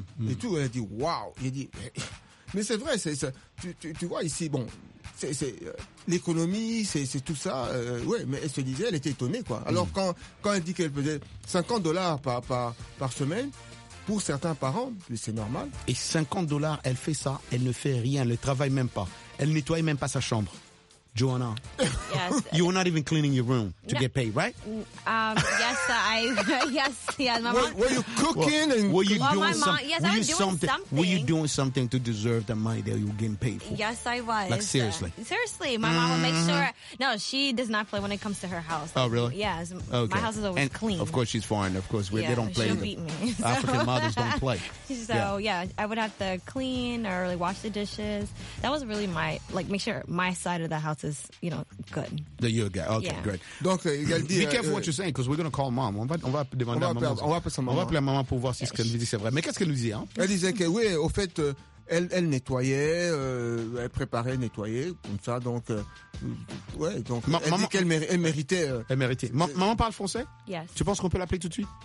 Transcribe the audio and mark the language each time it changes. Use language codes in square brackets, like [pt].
[fr] Et tout, elle dit, waouh. Elle dit, mais c'est vrai, tu vois ici, bon, c'est l'économie, c'est tout ça. Ouais, mais elle se disait, elle était étonnée, quoi. Alors quand elle dit qu'elle faisait $50 par semaine, pour certains parents, c'est normal. Et $50, elle fait ça, elle ne fait rien, elle ne travaille même pas. Elle nettoie même pas sa chambre. Joanna, [en] yes. You are not even cleaning your room to get paid, right? Yes, I. Yes, yes. My mom. Were you cooking and were you doing something? Yes, I was doing something. Were you doing something to deserve the money that you were getting paid for? Yes, I was. Like seriously. Seriously, my mom will make sure. No, she does not play when it comes to her house. Like, oh, really? Yes. Okay. My house is always and clean. Of course, she's foreign. Of course, they don't play. She'll beat me. African mothers don't play. So yeah, I would have to clean or really wash the dishes. That was really my make sure my side of the house. Is, you know, good. The you guy. Okay, yeah. Great. [fr] Donc, dit, [en] be careful what you're saying, because we're going to call mom. [fr] On va demander à maman. On va appeler sa maman. On va appeler maman pour voir si ce qu'elle nous dit, c'est vrai. Mais qu'est-ce qu'elle nous dit, hein? Elle disait que, oui, au fait, elle nettoyait, elle préparait, nettoyait, comme ça, donc, ouais, donc, maman, dit qu'elle méritait. Elle méritait. Maman parle français? [en] Yes. [fr] Tu penses qu'on peut l'appeler tout de suite?